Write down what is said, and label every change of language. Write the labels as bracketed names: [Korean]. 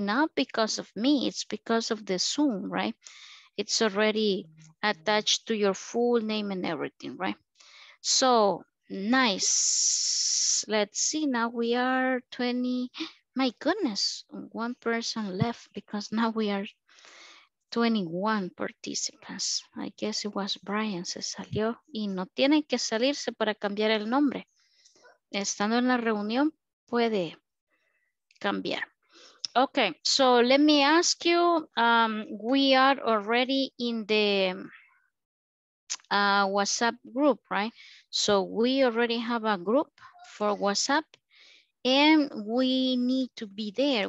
[English] Not because of me, it's because of the Zoom, right? It's already attached to your full name and everything, right? So nice. Let's see, now we are 20. My goodness, one person left because now we are 21 participants. I guess it was Brian, [Spanish] se salió. Y no tienen que salirse para cambiar el nombre. Estando en la reunión, puede cambiar. [English] Okay, so let me ask you, we are already in the WhatsApp group, right? So we already have a group for WhatsApp and we need to be there.